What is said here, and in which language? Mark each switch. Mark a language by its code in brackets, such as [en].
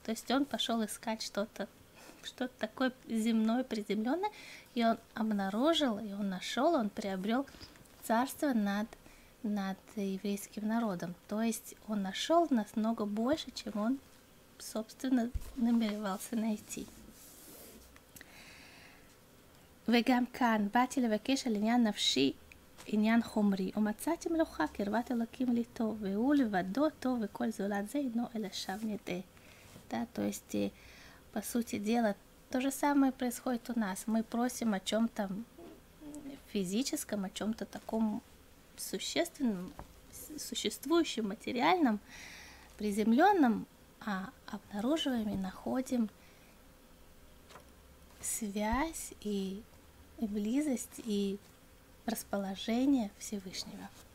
[ru] То есть он пошел искать что-то такое земное, приземленное, и он обнаружил, и он нашел, он приобрел царство над еврейским народом. То есть он нашел намного больше, чем он, собственно, намеревался найти. [he] וגם כאן באתי לבקש על עניין נפשי, עניין חומרי, ומצאתי מלוכה קרבת אלוקים לי טוב, והוא לבדו טוב וכל זולת זה אינו אלא שם נדה. [ru] Да, то есть, по сути дела, то же самое происходит у нас. Мы просим о чем-то физическом, о чем-то таком существенном, существующем, материальном, приземленном, а обнаруживаем и находим связь и близость и расположение Всевышнего.